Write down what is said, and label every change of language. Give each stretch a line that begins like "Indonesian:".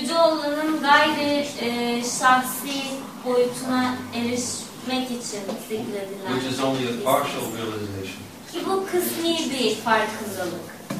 Turkish: Yüce olanın gayri şahsi boyutuna erişmek için zikredilen.
English: Which is only a partial realization. Ki bu kısmi bir farkındalık.